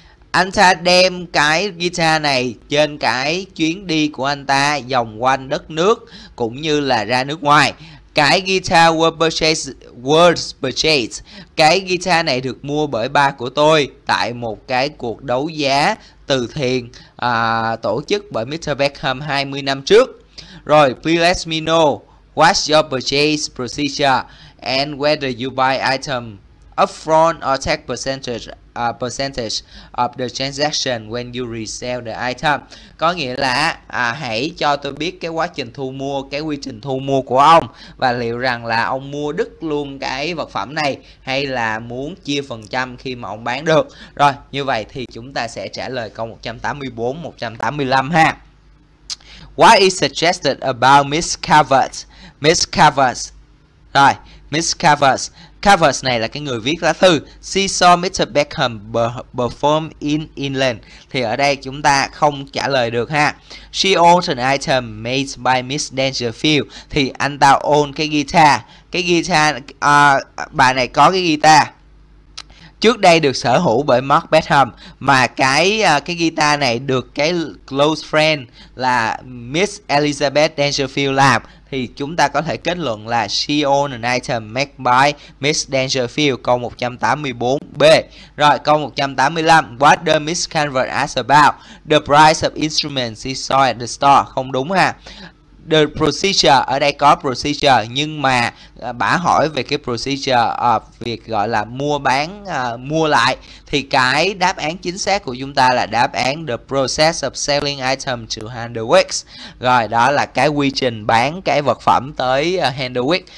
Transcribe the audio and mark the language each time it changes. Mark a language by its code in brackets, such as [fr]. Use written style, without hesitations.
[vi] Anh ta đem cái guitar này trên cái chuyến đi của anh ta vòng quanh đất nước cũng như là ra nước ngoài. [en] Cái guitar was purchased. [vi] Cái guitar này được mua bởi ba của tôi tại một cái cuộc đấu giá từ thiện tổ chức bởi Mr. Beckham 20 năm trước. [en] Rồi, please let me know what's your purchase procedure and whether you buy item upfront or take percentage of the transaction when you resell the item. [vi] Có nghĩa là hãy cho tôi biết cái quá trình thu mua, cái quy trình thu mua của ông, và liệu rằng là ông mua đứt luôn cái vật phẩm này hay là muốn chia phần trăm khi mà ông bán được. Rồi, như vậy thì chúng ta sẽ trả lời câu 184, 185 ha. [en] What is suggested about Miss Cavers? Miss Cavers. [vi] Rồi, Miss Cavers. Covers này là cái người viết lá thư. [en] She saw Mr. Beckham perform in England. [vi] Thì ở đây chúng ta không trả lời được ha. [en] She owned an item made by Miss Dangerfield. [vi] Thì anh ta own cái guitar. Cái guitar, bà này có cái guitar. trước đây được sở hữu bởi Mark Bentham, mà cái guitar này được cái close friend là Miss Elizabeth Dangerfield làm, thì chúng ta có thể kết luận là [en] she owned an item made by Miss Dangerfield, [vi] câu 184b. [en] Rồi câu 185, what the Miss Canvas asked about the price of instruments she saw at the store, [vi] không đúng ha. The procedure, ở đây có procedure, nhưng mà bả hỏi về cái procedure of việc gọi là mua bán, mua lại, thì cái đáp án chính xác của chúng ta là đáp án [en] the process of selling item to Handewick. [vi] Rồi đó là cái quy trình bán cái vật phẩm tới Handewick.